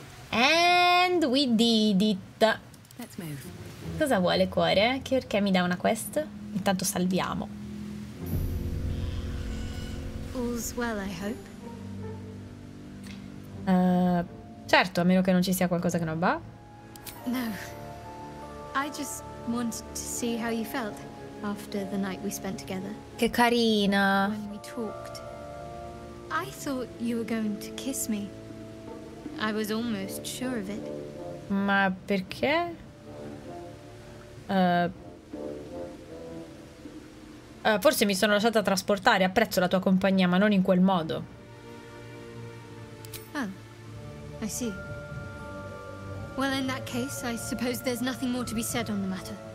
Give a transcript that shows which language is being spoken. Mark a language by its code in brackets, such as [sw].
[en] And we did it. [it] Cosa vuole cuore? Perché mi dà una quest? Intanto salviamo. [en] All's well, I hope. [it] Certo, a meno che non ci sia qualcosa che non va. [en] No. I just wanted to see how you felt after the night we spent together. [it] Che carina. [en] When we talked, I thought you were going to kiss me. I was almost sure of it. [it] Ma perché? Forse mi sono lasciata trasportare. Apprezzo la tua compagnia, ma non in quel modo. [en] I see. Well, in that case, I suppose there's nothing more to be said on the matter.